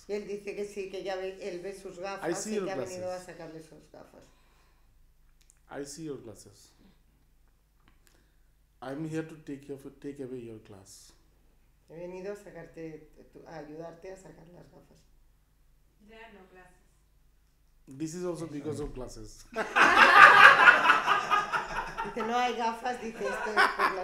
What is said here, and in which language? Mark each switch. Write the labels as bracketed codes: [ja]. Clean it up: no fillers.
[es] Él dice que sí, que ya ve, él ve sus gafas y que ha venido a sacarle sus gafas. [en] I see your glasses. I'm here to take your take away your glass. [es] He venido a sacarte, a ayudarte a sacar las gafas. [en] There are no glasses. This is also because of glasses. [es] Dice, no hay gafas, dice esto es por las